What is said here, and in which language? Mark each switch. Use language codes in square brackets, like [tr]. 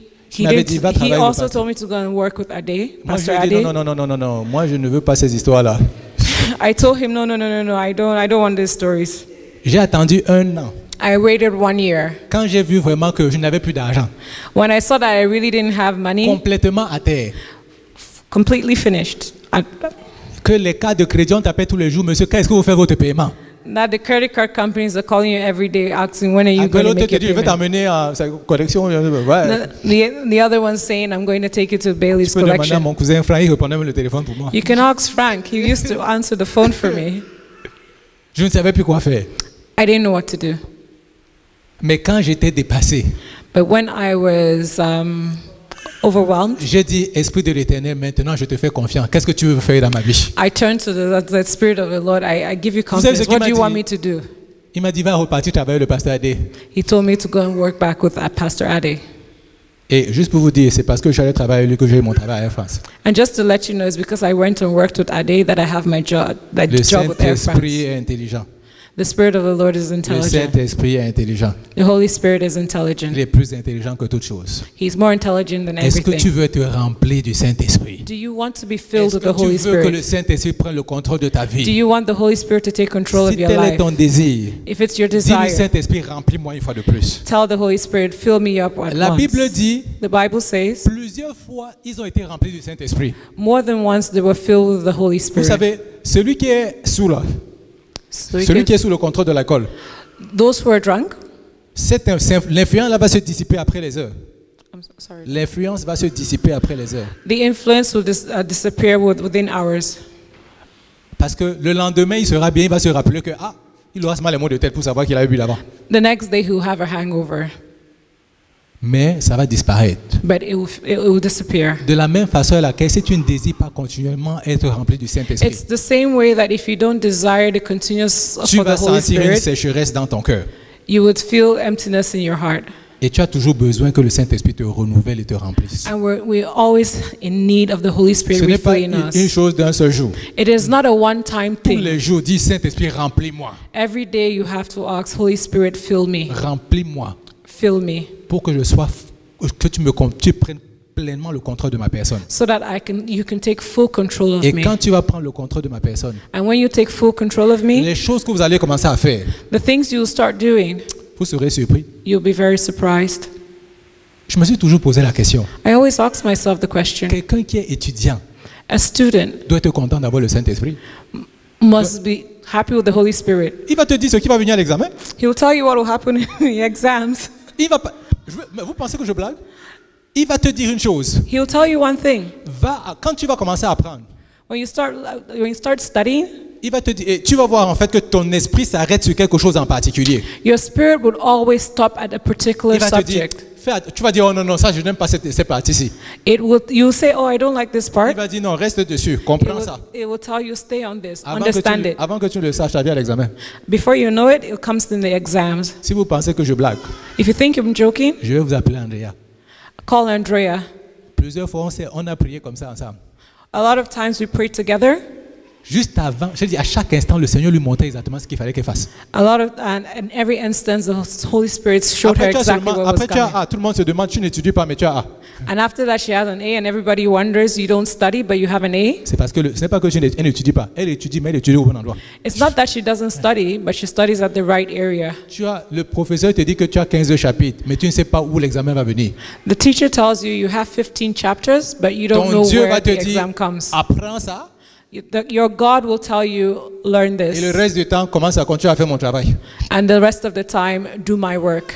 [en] He also told me to go and work with Adé. [fr] Pasteur Adé. Non. Moi je ne veux pas ces histoires là. [en] I told him no. I don't want these stories. [fr] J'ai attendu un an. [en] I waited 1 year. [fr] Quand j'ai vu vraiment que je n'avais plus d'argent. [en] When I saw that I really didn't have money. [fr] Complètement à terre. [en] Completely finished. [fr] Que les cas de crédit ont appelé tous les jours, monsieur, qu'est-ce que vous faites votre paiement? [en] That the credit card companies are calling you every day asking when are you going to make your payment. The other one saying I'm going to take you to Bailey's collection. [fr] Mon cousin Frank, il répondait même le téléphone pour moi. [en] You can ask Frank. He used to answer the phone for me. [fr] Je ne savais plus quoi faire. [en] I didn't know what to do. [fr] Mais quand j'étais dépassé. [en] But when I was overwhelmed. [fr] J'ai dit, Esprit de l'Éternel, maintenant je te fais confiance. Qu'est-ce que tu veux faire dans ma vie? [en] I turned to the Spirit of the Lord. I give you confidence. What do you want me to do? [fr] Il m'a dit, va repartir travailler le pasteur Adé. [en] He told me to go and work back with Pastor Adé. [fr] Et juste pour vous dire, c'est parce que j'allais travailler avec lui que j'ai eu mon travail à Air France. [en] And just to let you know, it's because I went and worked with Adé that I have my job. That [fr] le [en] job with Air France. [fr] Est intelligent. [en] The Spirit of the Lord is intelligent. [fr] Le Saint-Esprit est intelligent. [en] The Holy Spirit is intelligent. [fr] Il est plus intelligent que toute chose. [en] He's more intelligent than [fr] est-ce [en] everything. [fr] Est-ce que tu veux être rempli du Saint-Esprit? [en] Do you want to be filled with the Holy Spirit? [fr] Est-ce que tu veux que le Saint-Esprit prenne le contrôle de ta vie? [en] Do you want the Holy Spirit to take control [fr] si [en] of your life? [fr] Si tel est ton désir, [en] if it's your desire, [fr] dis le Saint-Esprit remplis-moi une fois de plus. [en] Tell the Holy Spirit fill me up at once. [fr] La Bible dit, [en] the Bible says, [fr] plusieurs fois ils ont été remplis du Saint-Esprit. [en] More than once they were filled with the Holy Spirit. [fr] Vous savez, celui qui est sous là. Celui qui est sous le contrôle de l'alcool. [en] Those who are drunk. [fr] L'influence là va se dissiper après les heures. L'influence va se dissiper après les heures. [en] The influence will disappear within hours. [fr] Parce que le lendemain, il sera bien, il va se rappeler que ah, il aura seulement les maux de tête pour savoir qu'il avait bu là-bas. [en] The next day, he'll have a hangover. [fr] Mais ça va disparaître. [en] But it will disappear. [fr] De la même façon à laquelle si tu ne désires pas continuellement être rempli du Saint-Esprit. [en] It's the same way that if you don't desire the continuous for the Holy Spirit. [fr] Tu vas sentir une sécheresse dans ton cœur. [en] You would feel emptiness in your heart. [fr] Et tu as toujours besoin que le Saint-Esprit te renouvelle et te remplisse. [en] And we're always in need of the Holy Spirit refilling us. [fr] Ce n'est pas une chose d'un seul jour. [en] It is not a one-time thing. [fr] Tous les jours, dis Saint-Esprit, remplis-moi. [en] Every day you have to ask Holy Spirit, fill me. [fr] Remplis-moi. [en] Fill me. [fr] Pour que je sois, que tu prennes pleinement le contrôle de ma personne. [en] So that you can take full control of me. [fr] Et quand tu vas prendre le contrôle de ma personne. [en] And when you take full control of me. [fr] Les choses que vous allez commencer à faire. [en] The things you'll start doing. [fr] Vous serez surpris. [en] You'll be very surprised. [fr] Je me suis toujours posé la question. [en] I always ask myself the question. [fr] Quelqu'un qui est étudiant. [en] A student. [fr] Doit être content d'avoir le Saint-Esprit. [en] Must be happy with the Holy Spirit. [fr] Il va te dire ce qui va venir à l'examen. [en] He will tell you what will happen in the exams. [fr] Il va pas. Vous pensez que je blague? Il va te dire une chose. [en] He'll tell you one thing. [fr] Quand tu vas commencer à apprendre. [en] When you start studying. [fr] Il va te dire, tu vas voir en fait que ton esprit s'arrête sur quelque chose en particulier. [en] Your spirit would always stop at a particular subject. [fr] Il va te dire, tu vas dire oh non ça je n'aime pas cette partie-ci. [en] It will you say oh I don't like this part. [fr] Il va dire non reste dessus, comprends [en] it [fr] ça. [en] It will tell you stay on this, understand it. [fr] Avant que tu le saches, ça vient à l'examen. [en] Before you know it comes in the exams. [fr] Si vous pensez que je blague. [en] If you think I'm joking. [fr] Je vais vous appeler Andrea. [en] Call Andrea. [fr] Plusieurs fois on a prié comme ça ensemble. [en] A lot of times we pray together. [fr] Juste avant, je dis à chaque instant le Seigneur lui montrait exactement ce qu'il fallait qu'elle fasse. [en] A lot of and every instance the Holy Spirit showed her exactly what was coming. [fr] Après tu as A, tout le monde se demande tu n'étudies pas mais tu as A. [en] And after that she has an A and everybody wonders you don't study but you have an A. [fr] C'est parce que ce n'est pas que elle n'étudie pas, elle étudie mais elle étudie au bon endroit. [en] It's not that she doesn't study but she studies at the right area. [fr] Tu as le professeur te dit que tu as 15 chapitres mais tu ne sais pas où l'examen va venir. [en] The teacher tells you you have 15 chapters but you don't know where the exam comes. [fr] Apprends ça. [en] Your God will tell you, learn this. [fr] Et le reste du temps, commence à continuer à faire mon travail. [en] And the rest of the time, do my work.